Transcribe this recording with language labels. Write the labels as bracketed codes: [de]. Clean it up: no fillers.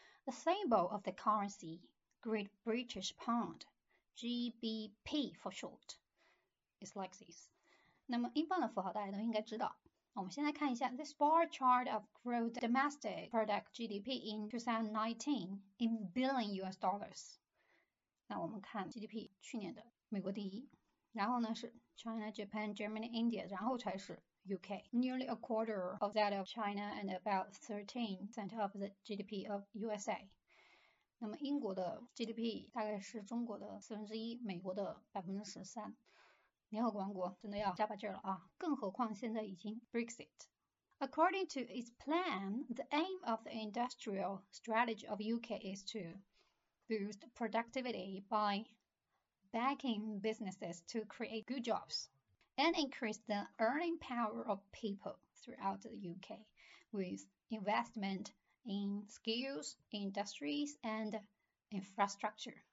[en] The symbol of the currency, Great British Pound, GBP for short, is like this. [zh] 那么英镑的符号大家都应该知道。我们先来看一下 [en] this bar chart of gross domestic product GDP in 2019 in billion US dollars. [zh] 那我们看 GDP 去年的美国第一，然后呢是 China, Japan, Germany, India， 然后才是 UK. [en] Nearly a quarter of that of China and about 13% of the GDP of USA. [zh] 那么英国的 GDP 大概是中国的四分之一，美国的13%。联合国王国真的要加把劲了啊！更何况现在已经 Brexit。 [en] According to its plan, the aim of the industrial strategy of UK is to boost productivity by backing businesses to create good jobs and increase the earning power of people throughout the UK with investment in skills, industries, and infrastructure.